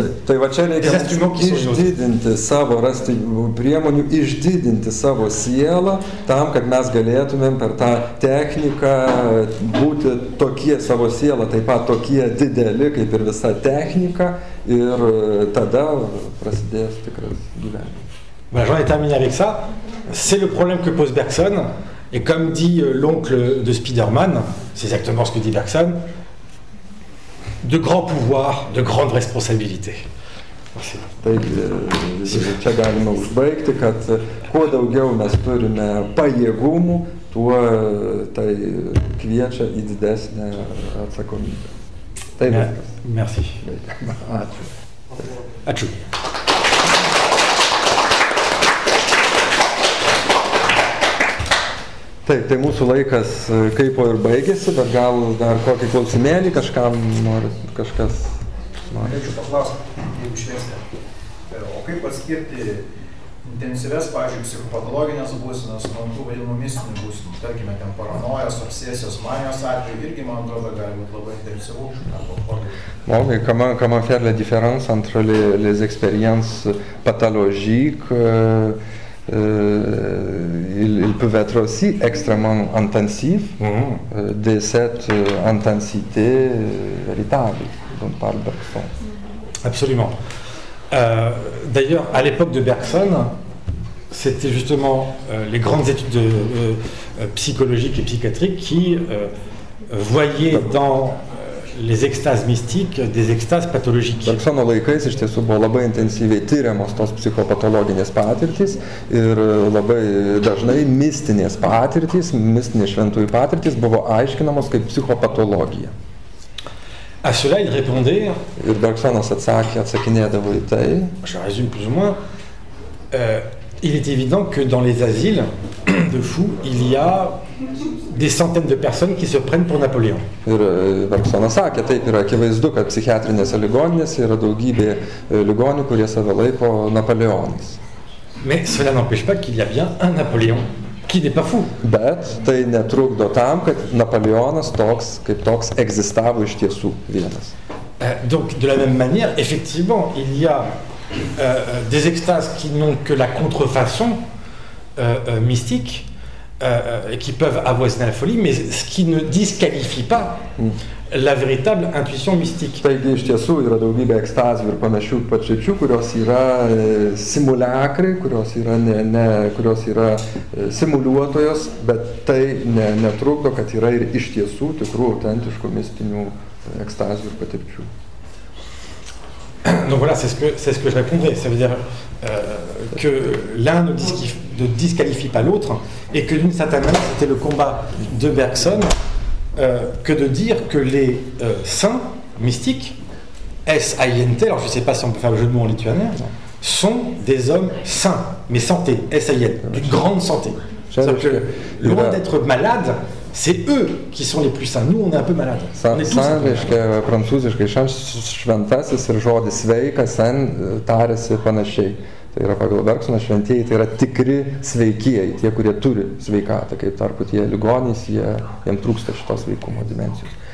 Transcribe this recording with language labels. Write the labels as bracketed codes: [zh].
[fr] des instruments qui sont [lt] išdidinti savo, rasti priemonių, išdidinti savo sielą, tam, kad mes galėtumėm per tą techniką būti tokie savo sielą, taip pat tokie dideli, kaip ir visa technika, ir tada prasidės tikras gyvenimas. [fr] Voilà, j'en ai terminé avec ça. C'est le problème que pose Bergson. Et comme dit l'oncle de Spider-Man, c'est exactement ce que dit Bergson, de grands pouvoirs, de grandes responsabilités. [lt] Taigi, čia galima užbaigti, kad kuo daugiau mes turime pajėgumų, tuo tai kviečia į didesnę atsakomybę. Taip. Merci. Ačiū. Ačiū. Taip, tai mūsų laikas kaip ir baigėsi, bet gal dar kokį klausimėlį kažkam nori, kažkas nori. Norėčiau paklausyti, jeigu šviesnė. O kaip atskirti intensyves, pavyzdžiui, psichopatologinės būsinas, man tų vadinamų mistinių būsinų, tarkime, ten paranojos, obsesijos, manijos atveju, irgi man atrodo gali būti labai intensyvų. [fr] Logai, comment faire la différence entre les expériences pathologiques, ils peuvent être aussi extrêmement intensifs de cette intensité véritable dont parle Bergson. Absolument. D'ailleurs, à l'époque de Bergson, c'était justement les grandes études psychologiques et psychiatriques qui voyaient dans les extases mystiques, des extases pathologiques. [lt] Bergsono laikais iš tiesų buvo labai intensyviai tyriamos tos psichopatologinės patirtys ir labai dažnai mistinės patirtys, mistinės šventųjų patirtys buvo aiškinamos kaip psichopatologija. [fr] À cela, il répondait. [lt] Ir Bergsonas atsakinėdavo į tai. [fr] Je résume plus ou moins. Il est évident que dans les asiles de fous, il y a des centaines de personnes qui se prennent pour Napoléon. [lt] Ir Bergsonas sakė, taip yra akivaizdu, kad psichiatrinėse ligoninėse yra daugybė ligonių, kurie save laiko Napoléonais. [fr] Mais cela n'empêche pas qu'il y a bien un Napoléon qui n'est pas fou. [lt] Bet tai netrukdo tam, kad Napoléonas toks, kaip toks, egzistavo iš tiesų vienas. [fr] Donc, de la même manière, effectivement, il y a des extases qui n'ont que la contrefaçon mystique, qui peuvent avoisiner la folie, mais ce qui ne disqualifie pas la véritable intuition mystique. [lt] Taigi, iš tiesų, yra daugybė ekstazių ir panašių patirčių, kurios yra simuliakrai, kurios yra simuliuotojos, bet tai netrukdo, kad yra ir iš tiesų tikrų autentiškų mistinių ekstazių ir patirčių. [fr] Donc voilà, c'est ce que je répondrais. Ça veut dire que l'un ne disqualifie pas l'autre et que d'une certaine manière, c'était le combat de Bergson que de dire que les saints mystiques, S-I-N-T, alors je ne sais pas si on peut faire le jeu de mots en lituanien, sont des hommes saints, mais santé, S-I-N, d'une grande santé. C'est-à-dire que loin d'être malade, c'est eux qui sont les plus saints. Nous, on est un peu malade. [lt] Saint, reiškia, prancūziškai, šventasis ir žodis sveikas, sen, tariasi panašiai. Tai yra pagal Bergsoną šventieji, tai yra tikri sveikieji, tie, kurie turi sveikatą, kaip tarpu tie ligonys, jiem trūksta šitos sveikumo dimensijos.